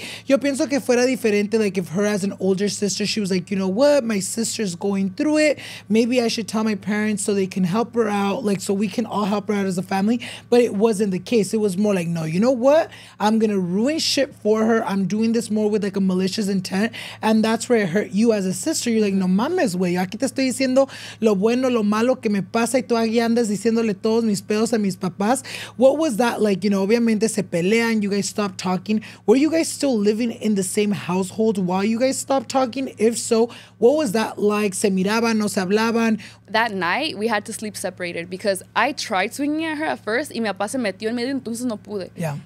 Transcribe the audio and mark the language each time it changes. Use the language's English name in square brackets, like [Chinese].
[English] Like, [Spanish] yo pienso que fuera diferente, [English] like if her as an older sister, she was like, you know what, my sister's going through it. Maybe I should tell my parents so they can help her out, like so we can all help her out as a family. But it wasn't the case. It was more like, no, you know what, I'm going to ruin shit for her. I'm doing this more with like a malicious intent. And that's where it hurt you as a sister. You're like, [Spanish] no mames, güey, aquí te estoy diciendo lo bueno, lo malo que me pasa y tú aquí andas diciéndole todos mis pedos a mis papás. [English] What was that like? You know, [Spanish] obviamente se pelean, [English] you guys stopped talking. Were you guys still living in the same household while you guys stopped talking? If so, what was that like? [Spanish] Se miraban, no se hablaban. [English] That night, we had to sleep separated because I tried swinging at her at first [Spanish] y mi papá se metió en medio, entonces no pude. [English] Yeah.